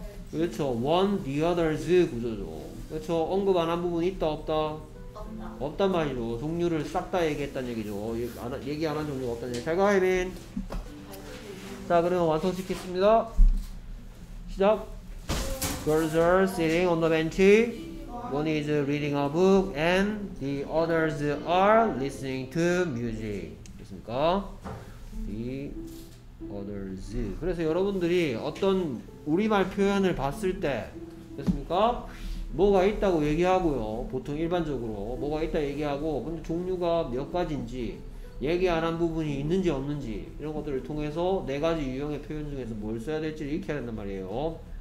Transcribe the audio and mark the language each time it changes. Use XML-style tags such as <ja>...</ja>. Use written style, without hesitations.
<ko>그렇죠.</ko> <en>One, the others</en> <ko>구조죠. 그렇죠. 언급 안 한 부분이 있다 없다? 없다. 없단 말이죠. 종류를 싹 다 얘기했다는 얘기죠. 얘기 안 한 종류가 없다는 얘기. 잘 가, 혜민. 자, 그러면 완성시키겠습니다. 시작.</ko> <en>Girls are sitting on the bench. One is reading a book and the others are listening to music.</en> <ko>됐습니까?</ko> <en>The others.</en> <ko>그래서 여러분들이 어떤 우리말 표현을 봤을 때 됐습니까? 뭐가 있다고 얘기하고요. 보통 일반적으로 뭐가 있다 얘기하고, 근데 종류가 몇 가지인지, 얘기 안 한 부분이 있는지 없는지, 이런 것들을 통해서 네 가지 유형의 표현 중에서 뭘 써야 될지를 익혀야 된단 말이에요.</ko>